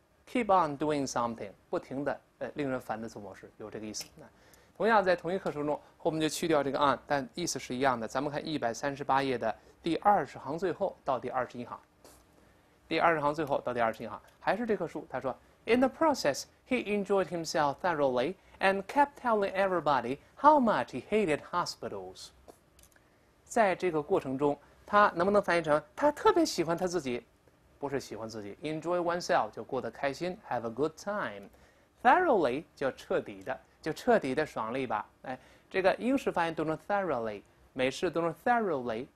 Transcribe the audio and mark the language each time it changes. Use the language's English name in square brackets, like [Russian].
[English] Keep on doing something [Chinese] 不停地令人烦的做某事，有这个意思。同样在同一课程中，后面就去掉这个 on， 但意思是一样的。咱们看138页的第20行最后到第21行，第二十行最后到第21行，还是这棵树。他说 ， [English] In the process, he enjoyed himself thoroughly and kept telling everybody how much he hated hospitals。 [Chinese] 在这个过程中，他能不能翻译成他特别喜欢他自己？不是喜欢自己 ，enjoy oneself 就过得开心 ， [English] have a good time。 [Chinese] thoroughly 叫彻底的，就彻底的爽了一把。这个英式翻译读成 thoroughly， 美式读成 thoroughly。